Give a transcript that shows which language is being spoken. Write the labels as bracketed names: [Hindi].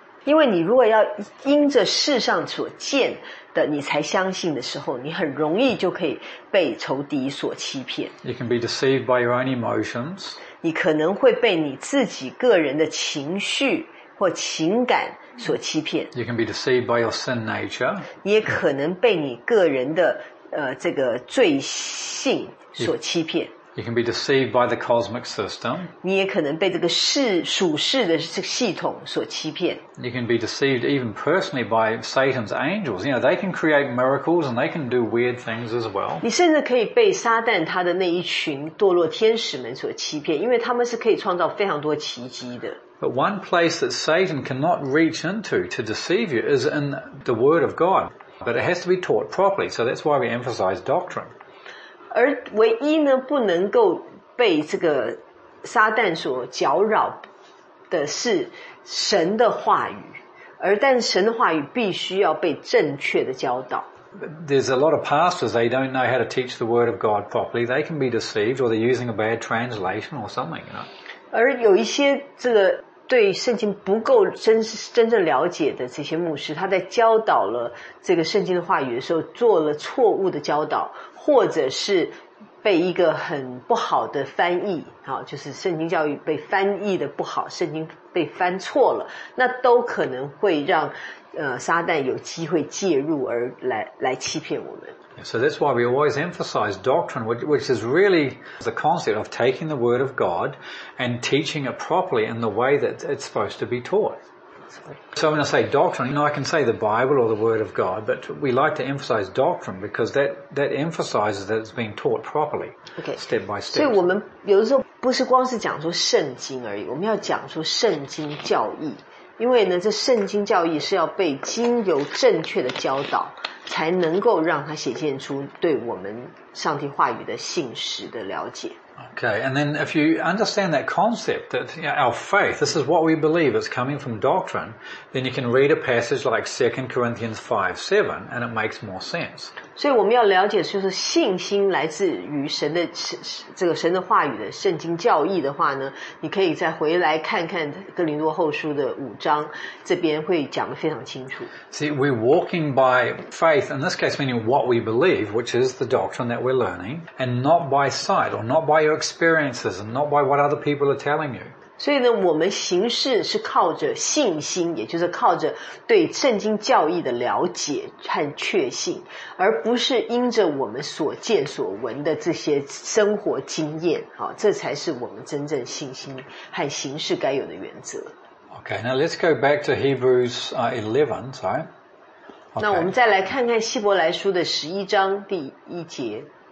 [Chinese] 因为你如果要因着世上所见的你才相信的时候你很容易就可以被仇敌所欺骗 [English] You can be deceived by your own emotions [Chinese] 你可能会被你自己个人的情绪或情感所欺骗。 [English] You can be deceived by your sin nature. [Chinese] 也可能被你个人的这个罪性所欺骗。 [English] You can be deceived by the cosmic system. [Chinese] 你也可能被这个属世的这个系统所欺骗。 [English] You can be deceived even personally by Satan's angels. You know, they can create miracles and they can do weird things as well. [Chinese] 你甚至可以被撒旦他的那一群堕落天使们所欺骗，因为他们是可以创造非常多奇迹的。 [English] But one place that Satan cannot reach into to deceive you is in the Word of God. But it has to be taught properly, so that's why we emphasize doctrine. [Chinese] 而唯一呢不能够被这个撒旦所搅扰的是神的话语，而但神的话语必须要被正确的教导。 [English] There's a lot of pastors, they don't know how to teach the word of God properly. They can be deceived or they're using a bad translation or something, you know. [Chinese] 而有一些这个对圣经不够 真正了解的这些牧师，他在教导了这个圣经的话语的时候做了错误的教导，或者是被一个很不好的翻译，就是圣经教育被翻译的不好，圣经被翻错了，那都可能会让撒旦有机会介入而 来欺骗我们。 [English] So that's why we always emphasize doctrine, which is really the concept of taking the word of God and teaching it properly in the way that it's supposed to be taught. So when I say doctrine, you know, I can say the Bible or the Word of God, but we like to emphasize doctrine because that emphasizes that it's being taught properly, okay. Step by step. [Chinese] 所以我们有的时候不是光是讲说圣经而已，我们要讲说圣经教义，因为呢，这圣经教义是要被经由正确的教导，才能够让它显现出对我们上帝话语的信实的了解。 [English] Okay, and then if you understand that concept, that you know, our faith, this is what we believe, it's coming from doctrine, then you can read a passage like 2 Corinthians 5, 7, and it makes more sense. [Chinese] 所以我们要了解就是信心来自于神的这个神的话语的圣经教义的话呢，你可以再回来看看哥林多后书的五章，这边会讲得非常清楚。 [English] See, we're walking by faith, in this case meaning what we believe, which is the doctrine that we're learning, and not by sight, or not by your experiences, and not by what other people are telling you. [Chinese] 所以呢，我们行事是靠着信心，也就是靠着对圣经教义的了解和确信，而不是因着我们所见所闻的这些生活经验，这才是我们真正信心和行事该有的原则。 [English] Okay, now let's go back to Hebrews 11, sorry. Okay. [Chinese] 那我们再来看看希伯来书的11章第一节。